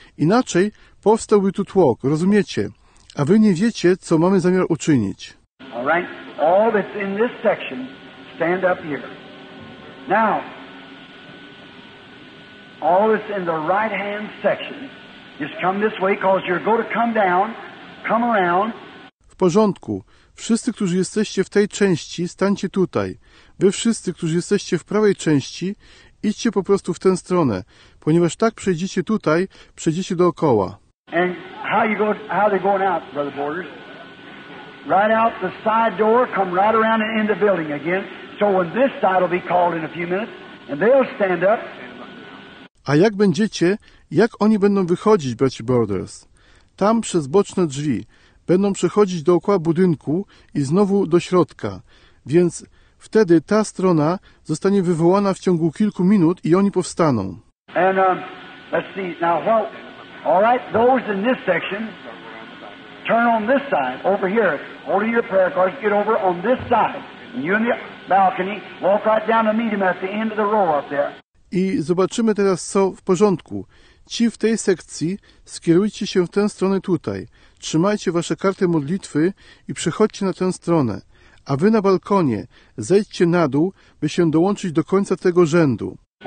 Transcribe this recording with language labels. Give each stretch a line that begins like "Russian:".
Polish: Inaczej powstałby tu tłok, rozumiecie? A wy nie wiecie, co mamy zamiar uczynić.
English: All right. All that's in this section, stand up here. Now. All is in the right-hand section. Just come this way, cause you're going to come down. Come around.
Polish: W porządku. Wszyscy, którzy jesteście w tej części, stańcie tutaj. Wy wszyscy, którzy jesteście w prawej części, idźcie po prostu w tę stronę, ponieważ tak przejdziecie tutaj, przejdziecie dookoła.
English: And how you go? How they going out, Brother Borders? Right out the side door. Come right around and in the building again. So when this side will be called in a few minutes, and they'll stand up.
Polish: A jak będziecie, jak oni będą wychodzić, braci Borders? Tam przez boczne drzwi. Będą przechodzić dookoła budynku i znowu do środka. Więc wtedy ta strona zostanie wywołana w ciągu kilku minut i oni powstaną.
English: And, let's see. Now, well, all right, those in this section, turn on this side, over here. Hold your prayer cards, get over on this side. And you in the balcony, walk right down to meet him at the end of the row up there.
Polish: I zobaczymy teraz, co w porządku. Ci w tej sekcji, skierujcie się w tę stronę tutaj. Trzymajcie wasze karty modlitwy i przechodźcie na tę stronę. A wy na balkonie, zejdźcie na dół, by się dołączyć do końca tego rzędu.